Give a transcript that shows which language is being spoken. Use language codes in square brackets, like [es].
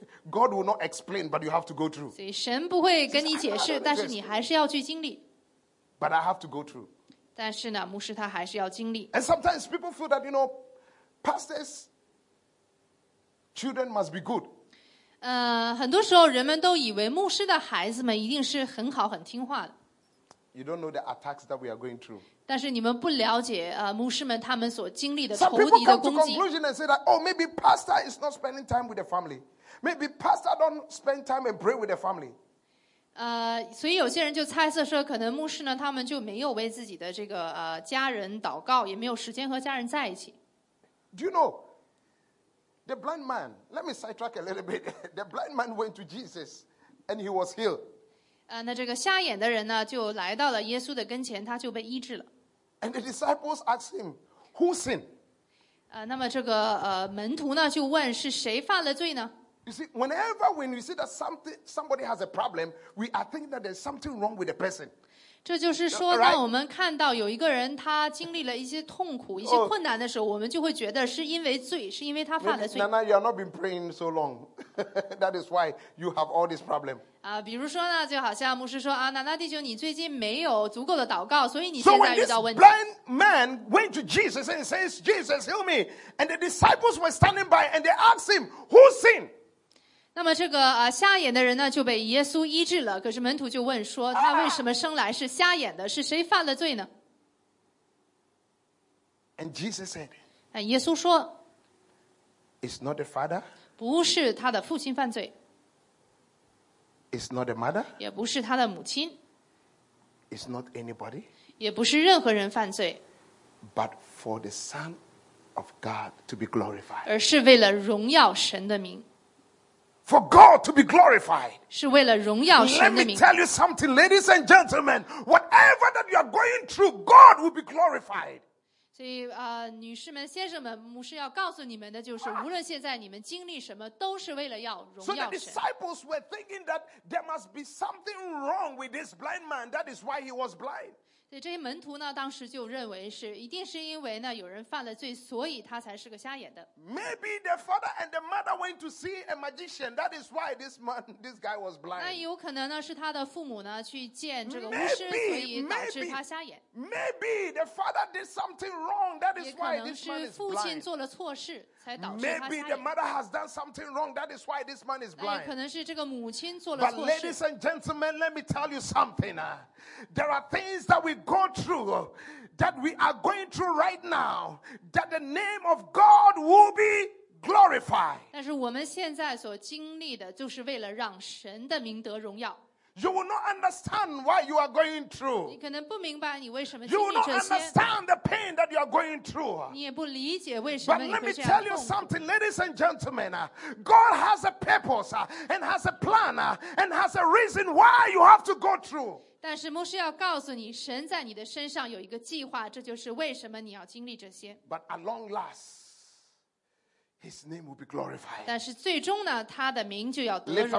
[en] God will not explain, but you have to go through. [zh] 所以神不会跟你解释，但是你还是要去经历。 [en] But I have to go through. [zh] 但是呢，牧师他还是要经历。 [en] And sometimes people feel that, you know, pastors, children must be good. [zh] 很多时候人们都以为牧师的孩子们一定是很好很听话的。 [en] You don't know the attacks that we are going through. [zh] 但是你们不了解牧师们他们所经历的仇敌的攻击。 [en] Some people come to conclusion and say that, oh, maybe pastor is not spending time with the family. Maybe pastor don't spend time and pray with the family. [zh] 所以有些人就猜测说，可能牧师呢，他们就没有为自己的这个家人祷告，也没有时间和家人在一起。 [en] Do you know the blind man? Let me sidetrack a little bit. The blind man went to Jesus, and he was healed. [zh] 那这个瞎眼的人呢，就来到了耶稣的跟前，他就被医治了。 [en] And the disciples asked him, "Who sinned?" [zh] 那么这个门徒呢，就问是谁犯了罪呢 [en] ？You see, whenever when we see that somebody has a problem, we are thinking that there's something wrong with the person. [zh] 这就是说，当我们看到有一个人他经历了一些痛苦、一些困难的时候，我们就会觉得是因为罪，是因为他犯了罪。 [en] Nana, you have not been praying so long. That is why you have all this problem. [zh] 比如说呢，就好像牧师说啊，娜娜弟兄，你最近没有足够的祷告，所以你现在遇到问题。 [en] So when this blind man went to Jesus and says, "Jesus, heal me," and the disciples were standing by and they asked him, "Who sinned?" [zh] 那么这个瞎眼的人呢，就被耶稣医治了。可是门徒就问说，他为什么生来是瞎眼的？是谁犯了罪呢 [en] ？And Jesus said, [zh] 耶稣说 [en] "It's not the father." [zh] 不是他的父亲犯罪。 [en] It's not the mother. [zh] 也不是他的母亲。 [en] It's not anybody. [zh] 也不是任何人犯罪。 [en] But for the Son of God to be glorified. [zh] 而是为了荣耀神的名。 [en] For God to be glorified. [zh] 是为了荣耀神的名。 [en] Let me tell you something, ladies and gentlemen. Whatever that you are going through, God will be glorified. [zh] 所以女士们、先生们，牧师要告诉你们的就是，无论现在你们经历什么，都是为了要荣耀神。 [en] So the disciples were thinking that there must be something wrong with this blind man. That is why he was blind. [zh] 所以这些门徒呢，当时就认为是一定是因为呢有人犯了罪，所以他才是个瞎眼的。 [en] Maybe the father and the mother went to see a magician. That is why this guy was blind. [zh] 那有可能呢是他的父母呢去见这个巫师，所以导致他瞎眼。 [en] Maybe the father did something wrong. That is why this man is blind. [zh] 也可能是父亲做了错事才导致他瞎眼。 [en] Maybe the mother has done something wrong. That is why this man is blind. [zh] 也可能是这个母亲做了错事。 [en] But ladies and gentlemen, let me tell you something. There are things that we go through, that we are going through right now, that the name of God will be glorified. [zh] 但是我们现在所经历的，就是为了让神的名得荣耀。 [en] You will not understand why you are going through. [zh] 你可能不明白你为什么经历这些。 [en] You will not understand the pain that you are going through. [zh] 你也不理解为什么你会这样痛。 [en] But let me tell you something, ladies and gentlemen. God has a purpose, and has a plan, and has a reason why you have to go through. [zh] 但是牧师要告诉你，神在你的身上有一个计划，这就是为什么你要经历这些。 [en] But at long last, His name will be glorified. [zh] 但是最终呢，他的名就要得荣耀。